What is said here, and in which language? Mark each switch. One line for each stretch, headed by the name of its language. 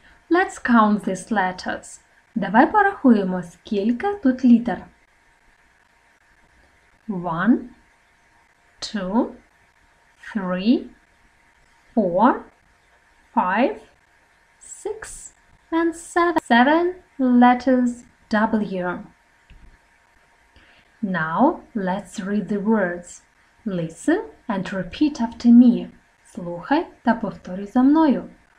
English: Let's count these letters.
Ukrainian: Давай порахуємо, скільки тут літер.
English: One, two, three, four, five, six, and seven. Seven letters W. Now, let's read the words. Listen and repeat after me.
Ukrainian: Слухай та повтори за мною.